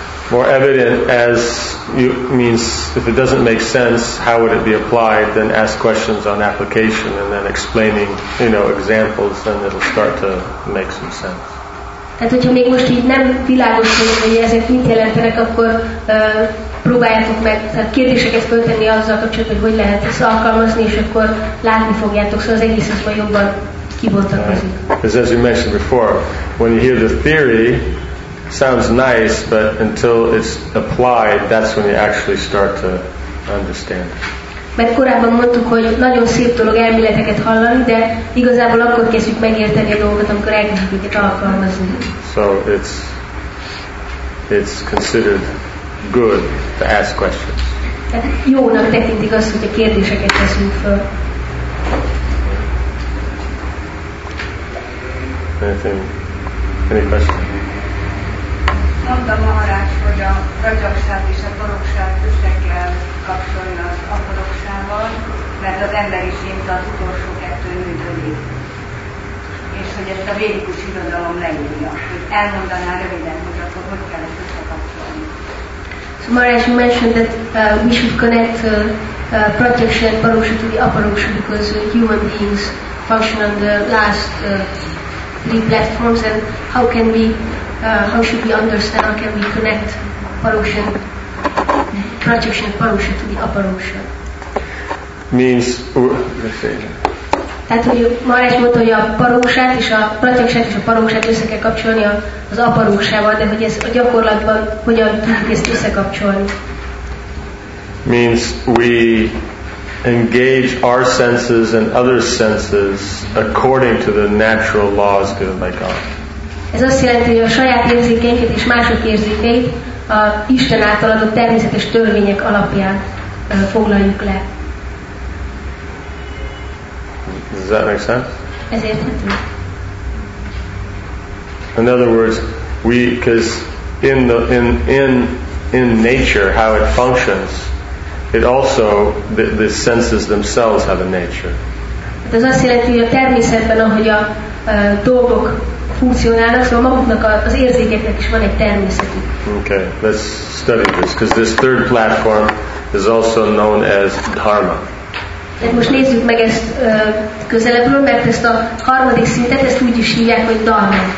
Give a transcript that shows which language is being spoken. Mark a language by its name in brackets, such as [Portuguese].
[English] More evident as you means if it doesn't make sense, how would it be applied? Then ask questions on application, and then explaining, you know, examples, then it'll start to make some sense. [Hungarian] Tehát hogyha még most így nem világos, hogy ezek mit jelentenek, akkor próbáljátok meg, tehát kérdéseket föltenni azzal kapcsolatban, hogy lehet ezt alkalmazni, és akkor látni fogjátok, szóval az egész az jobban kibontakozik. [English] Because as you mentioned before, when you hear the theory, sounds nice, but until it's applied, that's when you actually start to understand. [Hungarian] Mert korábban mondtuk, hogy nagyon szép dolog elméleteket hallani, de igazából akkor kezdjük megérteni a dolgokat, amikor elkezdjük őket alkalmazni. [English] So it's considered good to ask questions. [Hungarian] Jónak tekintik azt, hogy a kérdéseket teszünk föl. [English] Any questions? [Hungarian] Mondta Maharács, hogy a rajzsakság és a parokság össze kell kapcsolni az aparokságban, mert az emberi szint az utolsó kettő működik. És hogy ezt a védikus irodalom leírja. Elmondaná röviden, hogy akkor hogy kell ezt összekapcsolni. [English] So Maharaj, you mentioned that we should connect pratyaksha and paroksha to the aparoksha because human beings function on the last three platforms, and how can we how should we understand, how can we connect paroksha, pratyaksha and paroksha to the aparoksha? Means let's say. [Hungarian] Tehát, hogy Maharaj mondta, hogy a paroksát és a pratyaksát és a paroksát össze kell kapcsolni az aparoksával, de hogy ez a gyakorlatban hogyan tudjuk ezt összekapcsolni? [English] Means we engage our senses and other senses according to the natural laws given by God. [Hungarian] Ez azt jelenti, hogy a saját érzékeinket és mások érzékeit a Isten által adott természetes törvények alapján foglaljuk le. [English] Does that make sense? In other words, we, because in nature, how it functions, it also the senses themselves have a nature. [Hungarian] Ez az azt jelenti, hogy a természetben, ahogy a dolgok funkcionálnak, szóval maguknak az érzékeknek is van egy természetük. [English] Okay, let's study this, because this third platform is also known as dharma. [Hungarian] Tehát most nézzük meg ezt közelebbről, mert ezt a harmadik szintet, ezt úgy is hívják, hogy dharma.